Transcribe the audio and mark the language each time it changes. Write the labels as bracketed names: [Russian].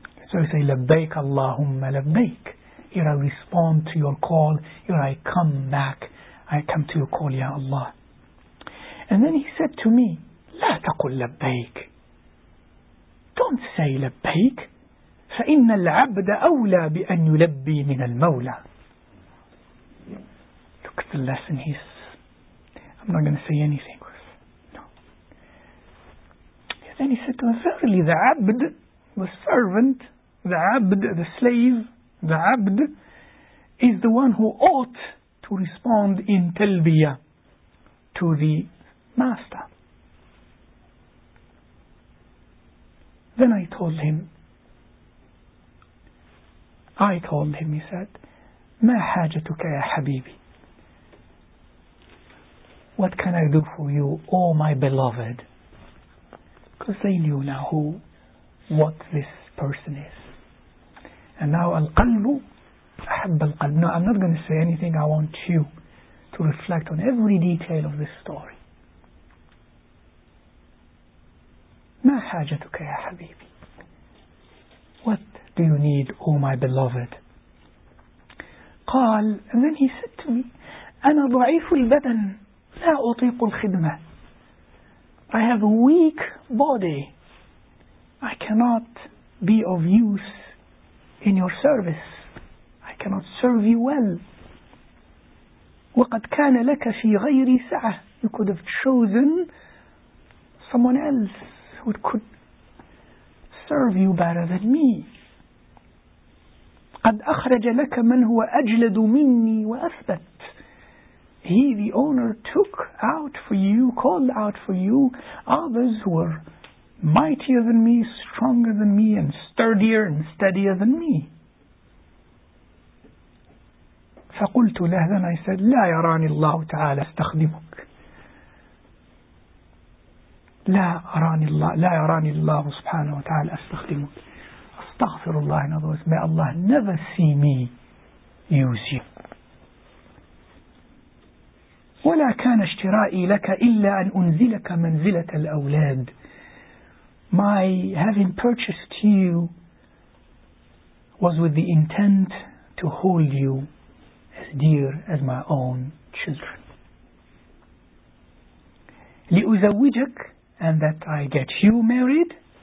[English] So we say, [Arabic] لبيك اللهم لبيك. [English] Here I respond to your call. Here I come back. I come to your call, Ya Allah. And then he said to me, [Arabic] لا تقل لبيك. [English] Don't say لبيك. [Arabic] فإن العبد أولى بأن يلبي من المولى. [English] Look at the lesson he's... I'm not going to say anything. Then he said to him, verily the abd, the servant, the abd, the slave, the abd, is the one who ought to respond in talbiya to the master. Then I told him, he said, [Arabic] ما حاجتك يا حبيبي. [English] What can I do for you, O my beloved? Because they knew now who what this person is. And now [Arabic] al-qalbu ahabb al-qalb. [English] No, I'm not going to say anything. I want you to reflect on every detail of this story. [Arabic] ما حاجتك يا حبيبي? [English] What do you need, O my beloved? [Arabic] قال, [English] and then he said to me, [Arabic] أنا ضعيف البدن, لا أطيق الخدمة. [English] I have a weak body. I cannot be of use in your service. I cannot serve you well. [Arabic] وقد كان لك في غير ساعة. [English] You could have chosen someone else who could serve you better than me. [Arabic] قد أخرج لك من هو أجلد مني وأثبت. [English] He, the owner, took out for you, called out for you, others who were mightier than me, stronger than me, and sturdier and steadier than me. [Arabic] فقلت له, [English] then I said, [Arabic] لا يراني الله تعالى استخدمك. لا أراني الله, لا يراني الله سبحانه وتعالى استخدمك. استغفر الله, [English] in other words, may Allah never see me use you. [Arabic] ولا كان اشترائي لك إلا أن أنزلك منزلة الأولاد. [English] My having purchased you was with the intent to hold you as dear as my own children. [Arabic] لأزوجك, [English] and that I get you married.